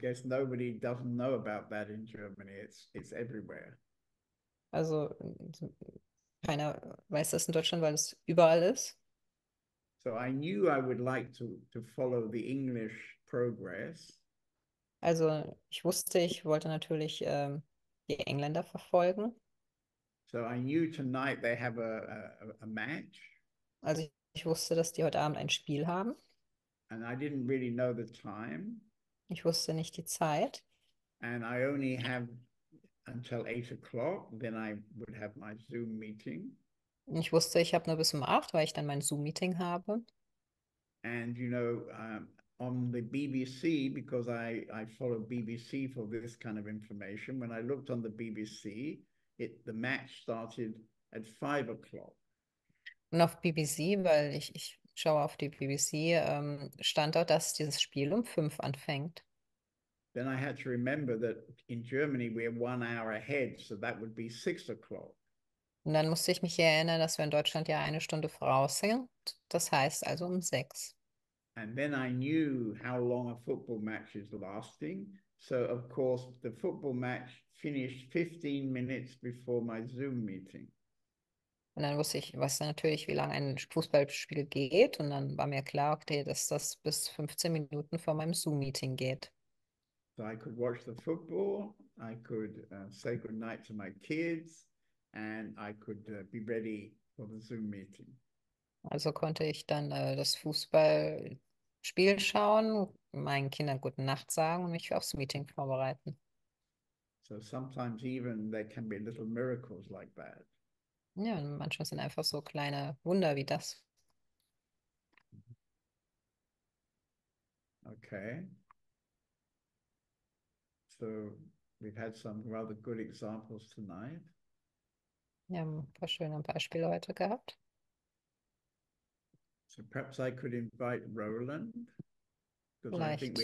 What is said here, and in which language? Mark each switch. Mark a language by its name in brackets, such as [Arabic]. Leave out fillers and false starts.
[English] guess nobody doesn't know about that in Germany. It's everywhere. [German] Also keiner weiß das in Deutschland, weil es überall ist. [English] So I knew I would like to follow the English progress. [German] Also ich wusste, ich wollte natürlich die Engländer verfolgen. [English] So I knew tonight they have a match. [German] Also ich wusste, dass die heute Abend ein Spiel haben. [English] And I didn't really know the time. [German] Ich wusste nicht die Zeit. [English] And I only have until 8 o'clock, then I would have my Zoom meeting. [German] Ich wusste, ich habe nur bis um 8, weil ich dann mein Zoom-Meeting habe. [English] And you know, on the BBC, because I follow BBC for this kind of information, when I looked on the BBC, the match started at 5 o'clock. [German] Und auf BBC, weil ich schaue auf die BBC, stand dort, dass dieses Spiel um 5 anfängt. [English] Then I had to remember that in Germany we are 1 hour ahead, so that would be 6 o'clock. [German] Und dann musste ich mich erinnern, dass wir in Deutschland ja 1 Stunde voraus sind. Das heißt also um 6. [English] And then I knew how long a football match is lasting. So, of course, the football match finished 15 minutes before my Zoom meeting. [German] Und dann wusste ich, was natürlich, wie lange ein Fußballspiel geht. Und dann war mir klar, okay, dass das bis 15 Minuten vor meinem Zoom-Meeting geht. [English] So I could watch the football, I could say goodnight to my kids, and I could be ready for the Zoom meeting. [German] Also konnte ich dann das Fußballspiel schauen, meinen Kindern guten Nacht sagen und mich aufs Meeting vorbereiten. [English] So sometimes even there can be little miracles like that. [German] Ja, und manchmal sind einfach so kleine Wunder wie das. [English] Okay. So we've had some rather good examples tonight. [German] Wir haben ein paar schöne Beispiele heute gehabt. [English] So perhaps I could invite Roland, because I think we